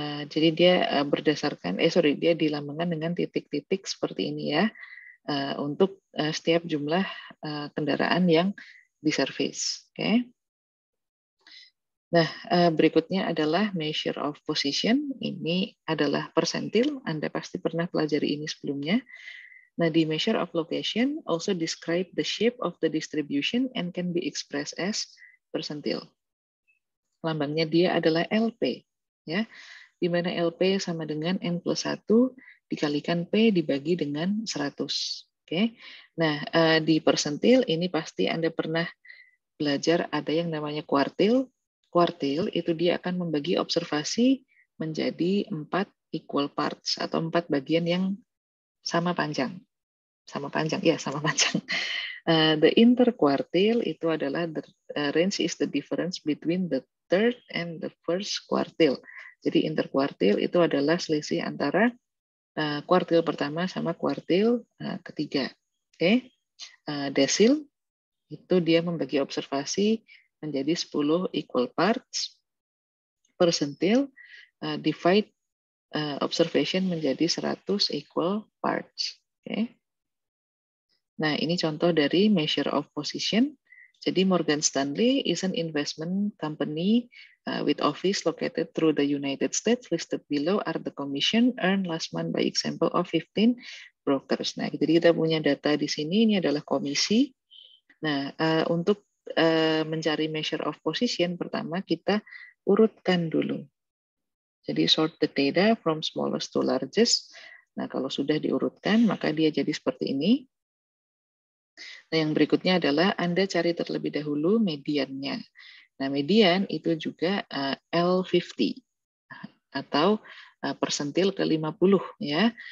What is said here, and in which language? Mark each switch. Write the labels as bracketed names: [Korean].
[Indonesian] Jadi dia berdasarkan, dia dilambangkan dengan titik-titik seperti ini ya, untuk setiap jumlah kendaraan yang diservis. Oke. Okay. Nah berikutnya adalah [English] measure of position. [Indonesian] Ini adalah persentil. Anda pasti pernah pelajari ini sebelumnya. Nah di [English] measure of location also describe the shape of the distribution and can be expressed as persentil. [Indonesian] Lambangnya dia adalah LP. Ya, di mana LP sama dengan N plus 1 dikalikan P dibagi dengan 100. Oke. Nah, di persentil ini pasti Anda pernah belajar ada yang namanya kuartil. Kuartil itu dia akan membagi observasi menjadi [English] 4 equal parts [Indonesian] atau 4 bagian yang sama panjang. Sama panjang, ya sama panjang. [English] The interquartile [Indonesian] itu adalah [English] the range is the difference between the third and the first quartile. [Indonesian] Jadi interquartile itu adalah selisih antara kuartil pertama sama kuartil ketiga. Oke. Okay. Desil itu dia membagi observasi menjadi [English] 10 equal parts. [Indonesian] Persentil divide observation menjadi 100 equal parts. Okay. Nah, ini contoh dari [English] measure of position. [Indonesian] Jadi, [English] Morgan Stanley is an investment company with office located through the United States. Listed below are the commission earned last month by example of 15 brokers. [Indonesian] Nah, jadi kita punya data di sini, ini adalah komisi. Nah, untuk mencari measure of position, pertama kita urutkan dulu. Jadi, [English] sort the data from smallest to largest. [Indonesian] Nah, kalau sudah diurutkan, maka dia jadi seperti ini. Nah, yang berikutnya adalah Anda cari terlebih dahulu mediannya. Nah, median itu juga L50 atau persentil ke-50 ya.